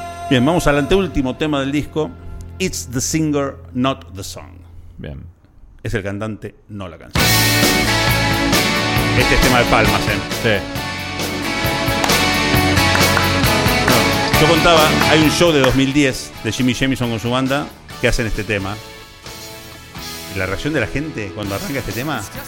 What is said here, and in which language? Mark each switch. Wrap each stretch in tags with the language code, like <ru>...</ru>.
<es>Bien, vamos al anteúltimo tema del disco.</es> <en>It's the singer, not the song.</en> <es>Bien. Es el cantante, no la canción. Este es tema de palmas, ¿eh? Sí. Yo contaba, hay un show de 2010 de Jimmy Jamison con su banda que hacen este tema. La reacción de la gente cuando arranca este tema.</es>